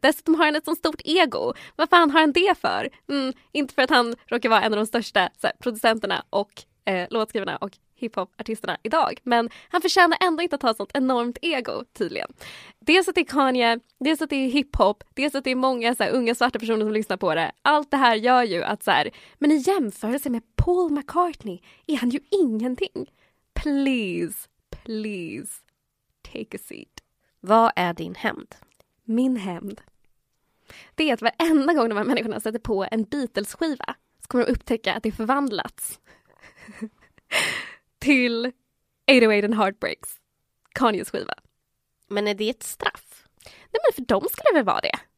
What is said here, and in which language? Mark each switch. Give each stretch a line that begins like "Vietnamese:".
Swedish: Dessutom har han ett så stort ego. Vad fan har han det för? Mm, inte för att han råkar vara en av de största så här, producenterna och låtskrivarna och hiphopartisterna idag. Men han förtjänar ändå inte att ha sånt enormt ego, tydligen. Dels att det är Kanye, dels att det är hiphop, dels att det är många så här, unga svarta personer som lyssnar på det. Allt det här gör ju att så här, men i jämförelse med Paul McCartney är han ju ingenting.
English: Please, please, take a seat.
Swedish: Vad är din hämnd? Min hämnd. Det är att varenda gång de här människorna sätter på en Beatles-skiva så kommer de upptäcka att det förvandlats till 808 and Heartbreaks, Kanyes skiva. Men är det ett straff? Nej, men för dem skulle det väl vara det.